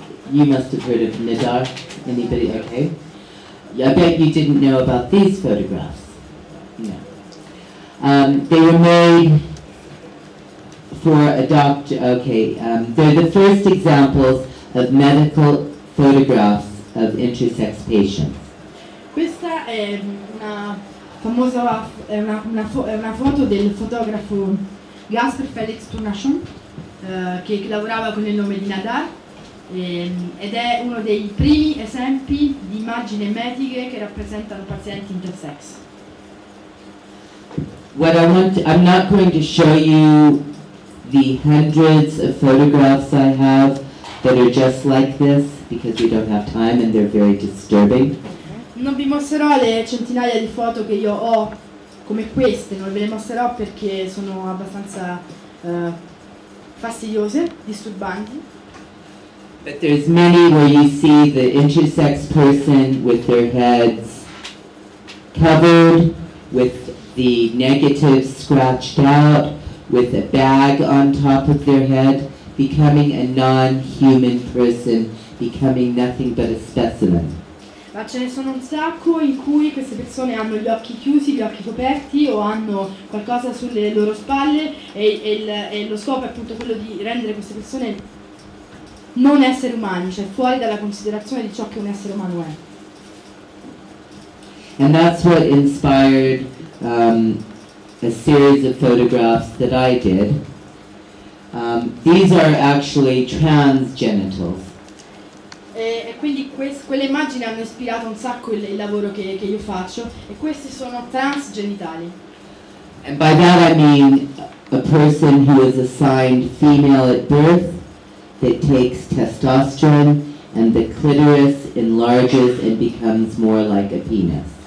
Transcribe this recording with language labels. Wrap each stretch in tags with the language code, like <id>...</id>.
<en>You must have heard of Nadar. Anybody? Okay. I bet you didn't know about these photographs. No. They were made for a doctor. Okay. They're the first examples of medical photographs of intersex patients.</en> <it>Questa è una famosa una foto del fotografo Gaspar Félix Tournechon che lavorava con il nome di Nadar ed è uno dei primi esempi di immagini mediche che rappresentano pazienti intersex.</it> <en>What I want to, I'm not going to show you the hundreds of photographs I have that are just like this because we don't have time and they're very disturbing.</en> <it>Non vi mostrerò le centinaia di foto che io ho come queste, non ve le mostrerò perché sono abbastanza fastidiose, disturbanti.</it> <en>But there's many where you see the intersex person with their heads covered, with the negative scratched out, with a bag on top of their head, becoming a non-human person, becoming nothing but a specimen.</en> <it>Ma ce ne sono un sacco in cui queste persone hanno gli occhi chiusi, gli occhi coperti o hanno qualcosa sulle loro spalle e lo scopo è appunto quello di rendere queste persone non esseri umani, cioè fuori dalla considerazione di ciò che un essere umano è.</it> <en>And that's what inspired a series of photographs that I did. These are actually trans genitals.</en> <it>E quindi quelle immagini hanno ispirato un sacco il lavoro che io faccio e questi sono transgenitali.</it> <en>And by that I mean a person who is assigned female at birth that takes testosterone and the clitoris enlarges and becomes more like a penis.</en>